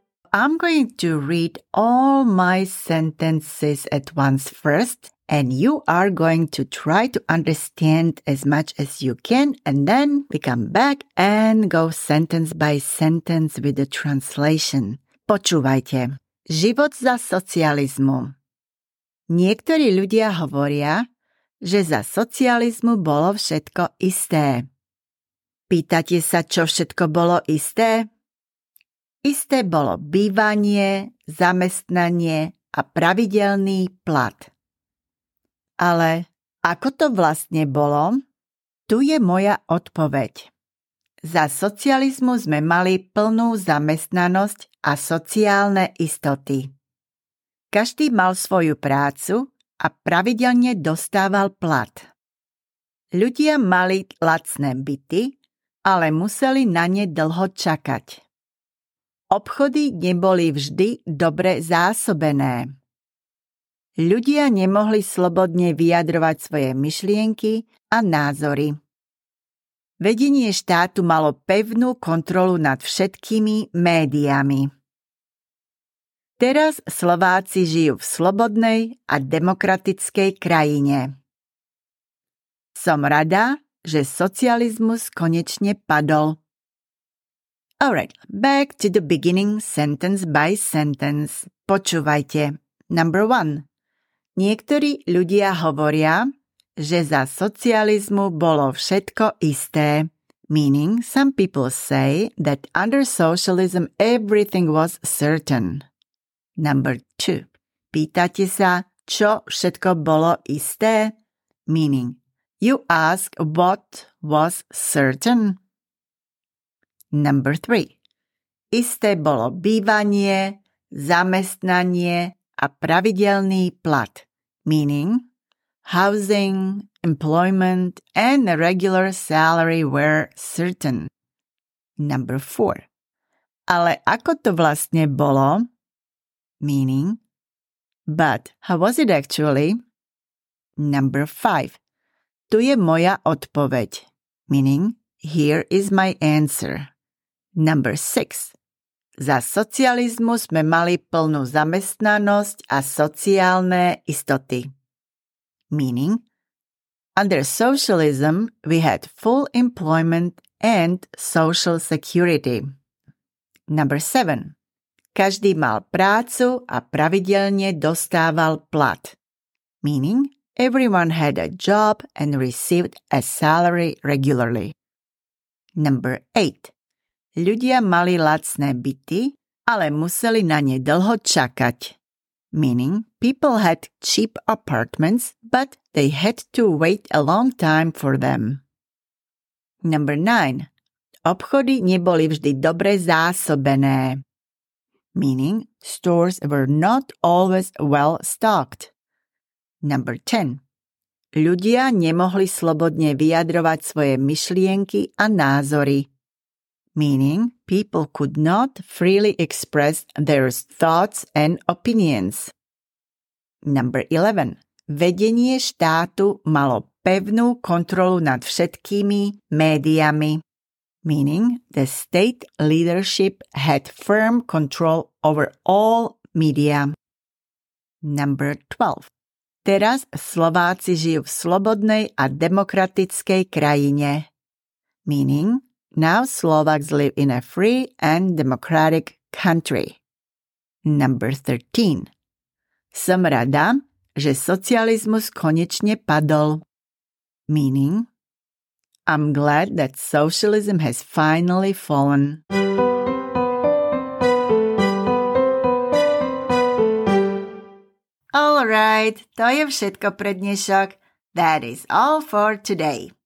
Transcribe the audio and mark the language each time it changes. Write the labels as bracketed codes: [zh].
[en] I'm going to read all my sentences at once first, and you are going to try to understand as much as you can, and then we come back and go sentence by sentence with the translation. [sk] Počúvajte. Život za socializmu. Niektorí ľudia hovoria, že za socializmu bolo všetko isté. Pýtate sa, čo všetko bolo isté? Isté bolo bývanie, zamestnanie a pravidelný plat. Ale ako to vlastne bolo? Tu je moja odpoveď. Za socializmu sme mali plnú zamestnanosť a sociálne istoty. Každý mal svoju prácu a pravidelne dostával plat. Ľudia mali lacné byty, ale museli na ne dlho čakať. Obchody neboli vždy dobre zásobené. Ľudia nemohli slobodne vyjadrovať svoje myšlienky a názory. Vedenie štátu malo pevnú kontrolu nad všetkými médiami. Teraz Slováci žijú v slobodnej a demokratickej krajine. Som rada, že socializmus konečne padol. [en] All right, back to the beginning sentence by sentence. [sk] Počúvajte. [en] Number one. [sk] Niektorí ľudia hovoria, že za socializmu bolo všetko isté. [en] Meaning, some people say that under socialism everything was certain. Number two. [sk] Pýtate sa, čo všetko bolo isté? [en] Meaning, you ask what was certain? Number three. [sk] Isté bolo bývanie, zamestnanie a pravidelný plat. [en] Meaning, housing, employment and a regular salary were certain. Number four. [sk] Ale ako to vlastne bolo? [en] Meaning, but how was it actually? Number five. [sk] Tu je moja odpoveď. [en] Meaning, here is my answer. Number six. [sk] Za socializmu sme mali plnú zamestnanosť a sociálne istoty. [en] Meaning, under socialism we had full employment and social security. Number seven. [sk] Každý mal prácu a pravidelne dostával plat. [en] Meaning, everyone had a job and received a salary regularly. Number eight. [sk] Ľudia mali lacné byty, ale museli na ne dlho čakať. [en] Meaning, people had cheap apartments, but they had to wait a long time for them. Number 9. [sk] Obchody neboli vždy dobre zásobené. [en] Meaning, stores were not always well stocked. Number 10. [sk] Ľudia nemohli slobodne vyjadrovať svoje myšlienky a názory. [en] Meaning, people could not freely express their thoughts and opinions. Number 11. [sk] Vedenie štátu malo pevnú kontrolu nad všetkými médiami. [en] Meaning, the state leadership had firm control over all media. Number 12. [sk] Teraz Slováci žijú v slobodnej a demokratickej krajine. [en] Meaning, now Slovaks live in a free and democratic country. Number 13. [sk] Som rada, že socializmus konečne padol. [en] Meaning, I'm glad that socialism has finally fallen. All right, [sk] to je všetko pre dnešok. [en] That is all for today.